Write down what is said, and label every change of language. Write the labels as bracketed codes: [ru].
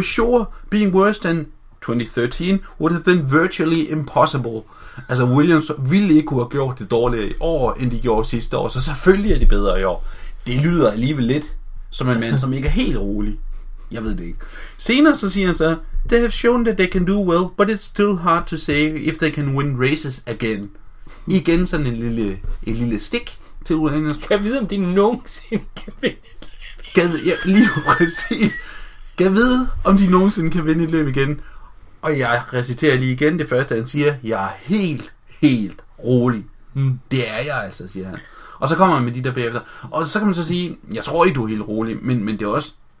[en] For sure, being worse than 2013 would have been virtually impossible. [da] Altså, Williams ville ikke kunne have gjort det dårligere i år, end de gjorde sidste år, så selvfølgelig er de bedre i år. Det lyder alligevel lidt som en mand, som ikke er helt rolig. Jeg ved det ikke. Senere så siger han så, [en] they have shown that they can do well, but it's still hard to say if they can win races again. [da] Igen sådan en lille stik til Williams. Kan jeg vide, om de nogensinde kan vinde et løb igen? Lige præcis. Kan jeg vide, om de nogensinde kan vinde et løb igen? Og jeg reciterer lige igen det første, han siger, jeg er helt, helt rolig. Det er jeg altså, siger han. Og så kommer han med de der bagefter. Og så kan man så sige, jeg tror ikke, du er helt rolig, men det er også...